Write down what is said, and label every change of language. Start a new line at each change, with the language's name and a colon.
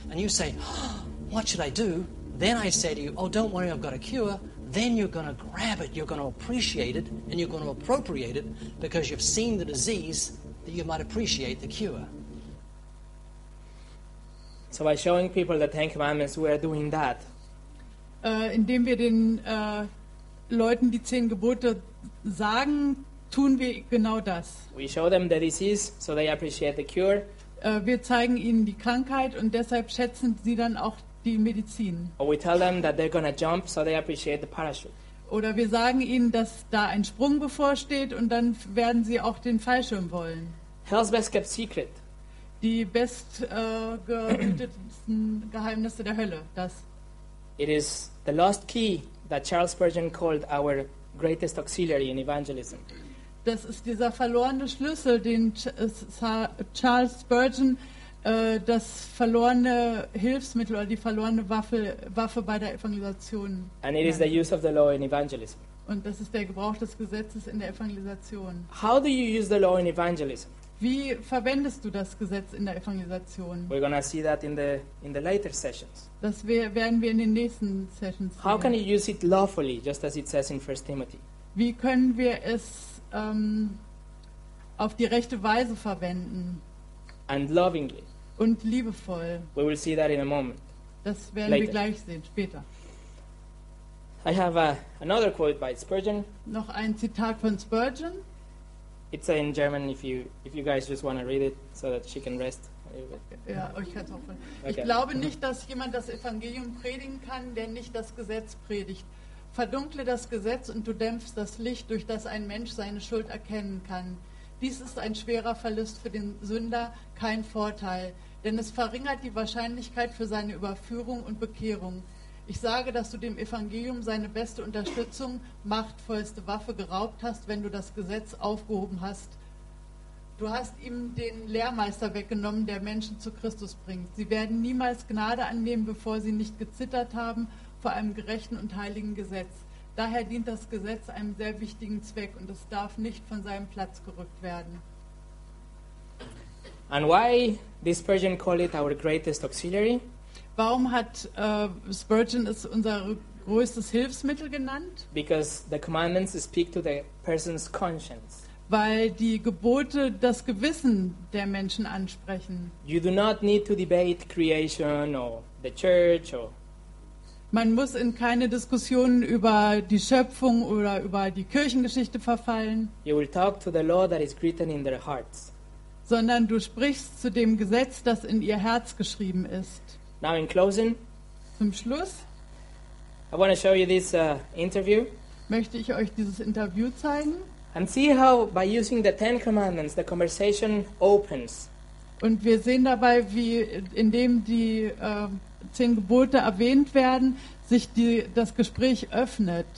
English: And you say, oh, what should I do? Then I say to you, oh, don't worry, I've got a cure. Then you're going to grab it, you're going to appreciate it, and you're going to appropriate it because you've seen the disease that you might appreciate the cure. So by showing people the Ten Commandments, we are doing that.
German: Indem wir den Leuten die Zehn Gebote sagen, tun wir genau das.
English: We show them the disease, so they appreciate the cure.
German: Wir zeigen ihnen die Krankheit und deshalb schätzen sie dann auch die Medizin.
English: Or we tell them that they're gonna jump, so they appreciate the parachute.
German: Oder wir sagen ihnen, dass da ein Sprung bevorsteht und dann werden sie auch den Fallschirm wollen.
English: Hell's best kept secret.
German: Die bestgehütetsten Geheimnisse der Hölle, das.
English: It is the lost key that Charles Spurgeon called our greatest auxiliary in evangelism.
German: Das ist dieser verlorene Schlüssel, den Charles Spurgeon das verlorene Hilfsmittel oder die verlorene Waffe bei der Evangelisation.
English: And it is the use of the law in evangelism.
German: Und das ist der Gebrauch des Gesetzes in der Evangelisation.
English: How do you use the law in evangelism?
German: Wie verwendest du das Gesetz in der Evangelisation?
English: We're gonna see that in the later sessions.
German: Das werden wir in den nächsten Sessions sehen.
English: How can you use it lawfully, just as it says in 1 Timothy?
German: Wie können wir es auf die rechte Weise verwenden?
English: And lovingly.
German: Und liebevoll.
English: We will see that in a moment.
German: Das werden later. Wir gleich sehen, später.
English: I have another quote by Spurgeon.
German: Noch ein Zitat von Spurgeon.
English: It's in German if you guys just want to read it so that she can rest.
German: Ja, ich kann es auch von. Ich glaube nicht, dass jemand das Evangelium predigen kann, der nicht das Gesetz predigt. Verdunkle das Gesetz und du dämpfst das Licht, durch das ein Mensch seine Schuld erkennen kann. Dies ist ein schwerer Verlust für den Sünder, kein Vorteil, denn es verringert die Wahrscheinlichkeit für seine Überführung und Bekehrung. Ich sage, dass du dem Evangelium seine beste Unterstützung, machtvollste Waffe geraubt hast, wenn du das Gesetz aufgehoben hast. Du hast ihm den Lehrmeister weggenommen, der Menschen zu Christus bringt. Sie werden niemals Gnade annehmen, bevor sie nicht gezittert haben vor einem gerechten und heiligen Gesetz. Daher dient das Gesetz einem sehr wichtigen Zweck und es darf nicht von seinem Platz gerückt werden.
English: And why this Persian call it our greatest auxiliary?
German: Warum hat Spurgeon es unser größtes Hilfsmittel genannt?
English: Because the commandments speak to the person's conscience.
German: Weil die Gebote das Gewissen der Menschen ansprechen.
English: You do not need to debate creation or the church or.
German: Man muss in keine Diskussionen über die Schöpfung oder über die Kirchengeschichte verfallen.
English: You will talk to the law that is written in their hearts.
German: Sondern du sprichst zu dem Gesetz, das in ihr Herz geschrieben ist.
English: Now in closing,
German: zum Schluss,
English: I want to show you this interview.
German: Möchte ich euch dieses Interview zeigen.
English: And see how by using the Ten Commandments the conversation opens.
German: Und wir sehen dabei, wie indem die Zehn Gebote erwähnt werden, sich das Gespräch öffnet.